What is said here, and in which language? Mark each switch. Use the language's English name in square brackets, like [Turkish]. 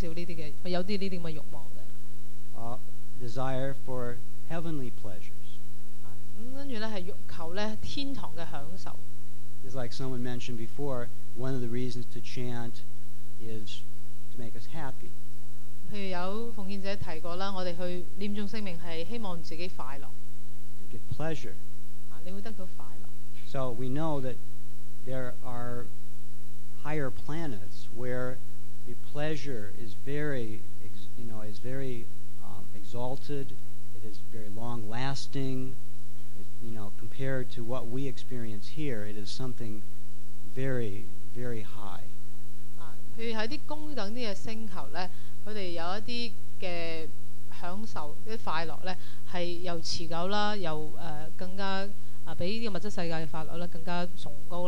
[Chinese] 如果你看看自己，每个人都有少少这些欲望的。 [English] Desire for heavenly pleasure. [Chinese] 然后是欲求天堂的享受。 [English] It's like someone mentioned before, one of the reasons to chant is to make us happy. [Chinese] 譬如有奉献者提过，我们去念诵圣名是希望自己快乐。 [English] To get pleasure. [Chinese] 你会得到快乐。 [English] So we know that there are higher planets where the pleasure is very exalted, it is very long-lasting. You know, compared to what we experience here, it is something very, very high. [Chinese] 譬如在一些高等的星球，他们有一些的享受，一些快乐，是又持久，又更加比这个物质世界的快乐更加崇高。